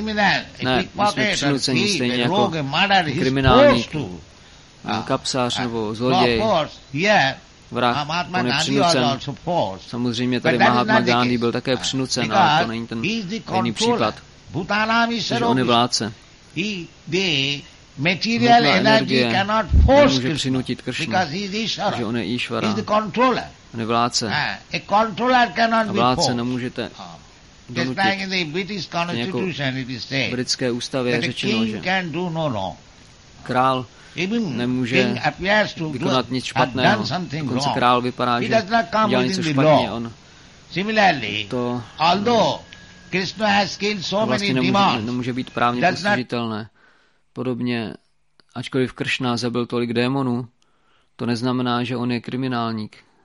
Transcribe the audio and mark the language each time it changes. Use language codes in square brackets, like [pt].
[cs] Ne, my jsme přinuceni stejně jako kriminálník, kapsář nebo zloděj, vrah, on je přinucen. Samozřejmě tady Mahatma Gandhi byl také přinucen, ale to není ten jiný příklad. Takže on je vládce. [en] The material energy cannot force Krishna, because he is Ishvara. [cs] Že on je Ishvara. [en] He is the controller. [cs] On je vládce. [en] A controller cannot be [cs] vládce nemůžete donutit. [en] Just like in the British Constitution, it is said [cs] britské ústavě [en] that [cs] řečeno, [en] a king can do no wrong. [cs] Král nemůže vykonat nic špatného. Dokonce král vypadá, že dělá něco špatně. On [en] similarly, to, although Krishna has killed so [cs] vlastně [en] many [cs] nemůže být právně postižitelné. Podobně, ačkoliv Krishna zabil tolik démonů, to neznamená, že on je kriminálník.